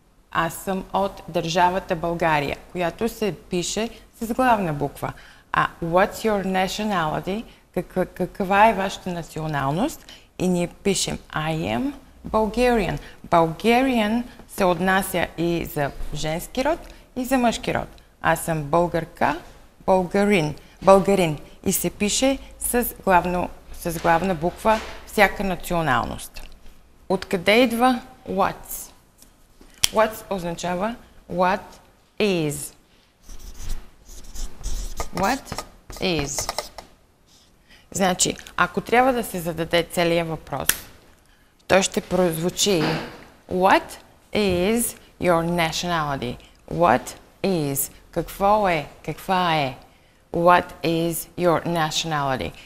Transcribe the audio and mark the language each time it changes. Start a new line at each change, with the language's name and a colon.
Bulgarian: Аз съм от държавата България, която се пише с главна буква.
English: What's your nationality?
Bulgarian: Каква е вашата националност? И ние пишем
English: I am Bulgarian.
Bulgarian: Bulgarian се отнася и за женски род, и за мъжки род. Аз съм българка, българин. Българин. И се пише с главна буква всяка националност. Откъде идва what's?
English: What's
Bulgarian: означава
English: what is. What is?
Bulgarian: Значи, ако трябва да се зададе целия въпрос, той ще прозвучи
English: What is your nationality? What is?
Bulgarian: Какво е? Каква е?
English: What is your nationality?